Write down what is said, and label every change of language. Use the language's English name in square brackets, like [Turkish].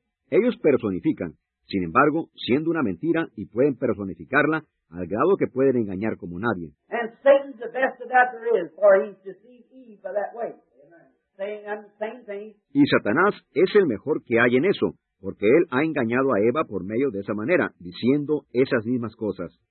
[Spanish] Ellos personifican, sin embargo, siendo una mentira, y pueden personificarla al grado que pueden engañar como nadie. [English] And Satan's the best of that there is, for he's deceived Eve by that way. Same thing. [Spanish] Y Satanás es el mejor que hay en eso. Porque él ha engañado a Eva por medio de esa manera, diciendo esas mismas cosas.